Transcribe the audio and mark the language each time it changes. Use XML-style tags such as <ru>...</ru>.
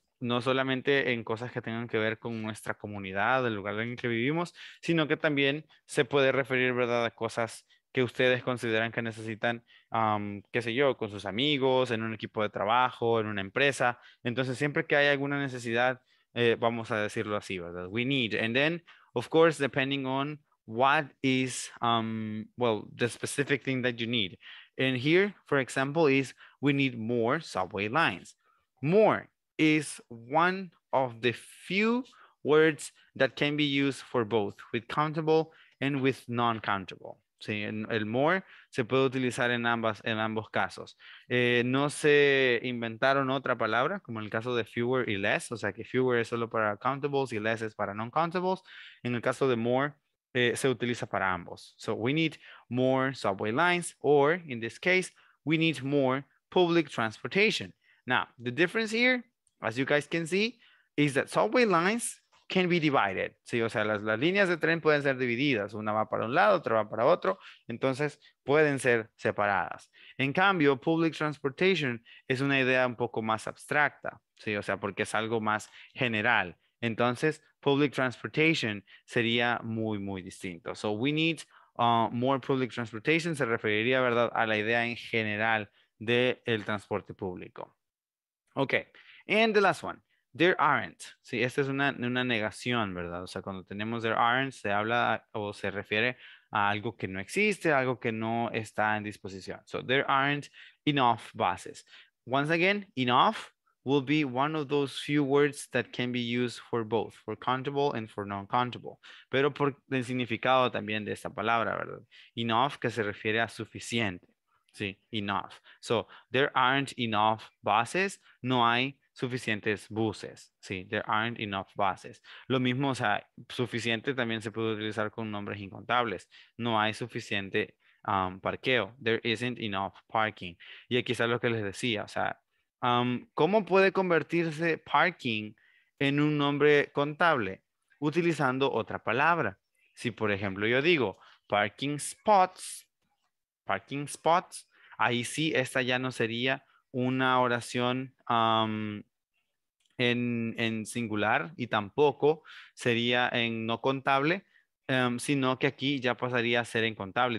<es>No solamente en cosas que tengan que ver con nuestra comunidad, el lugar en el que vivimos, sino que también se puede referir, ¿verdad?, a cosas que ustedes consideran que necesitan, qué sé yo, con sus amigos, en un equipo de trabajo, en una empresa. Entonces, siempre que hay alguna necesidad, vamos a decirlo así, ¿verdad?</es> <en>We need. And then, of course, depending on what is, the specific thing that you need. And here, for example, is we need more subway lines. More is one of the few words that can be used for both with countable and with non-countable.</en> <es>Sí, el more se puede utilizar en ambos casos. No se inventaron otra palabra, como en el caso de fewer y less, o sea que fewer es solo para countables y less es para non-countables. En el caso de more, se utiliza para ambos.</es> <en>So we need more subway lines, or in this case, we need more public transportation. Now, the difference here, as you guys can see, is that subway lines can be divided.</en> <es>Sí, o sea, las líneas de tren pueden ser divididas. Una va para un lado, otra va para otro. Entonces, pueden ser separadas. En cambio, public transportation es una idea un poco más abstracta. Sí, o sea, porque es algo más general. Entonces, public transportation sería muy, muy distinto.</es> <en>So, we need more public transportation.</en> <es>Se referiría, ¿verdad?, a la idea en general del transporte público.</es> <en>Okay. And the last one. There aren't.</en> <es>Sí, esta es una negación, ¿verdad? O sea, cuando tenemos there aren't, se habla o se refiere a algo que no existe, algo que no está en disposición.</es> <en>So, there aren't enough buses. Once again, enough will be one of those few words that can be used for both, for countable and for non-countable.</en> <es>Pero por el significado también de esta palabra, ¿verdad? Enough, que se refiere a suficiente. Sí, enough.</es> <en>So, there aren't enough buses.</en> <es>No hay suficientes buses, sí,</es> <en>there aren't enough buses.</en> <es>Lo mismo, o sea, suficiente también se puede utilizar con nombres incontables. No hay suficiente parqueo,</es> <en>there isn't enough parking.</en> <es>Y aquí está lo que les decía, o sea, ¿cómo puede convertirse parking en un nombre contable? Utilizando otra palabra. Si, por ejemplo, yo digo parking spots, ahí sí, esta ya no sería una oración en singular y tampoco sería en no contable, sino que aquí ya pasaría a ser en contable.</es>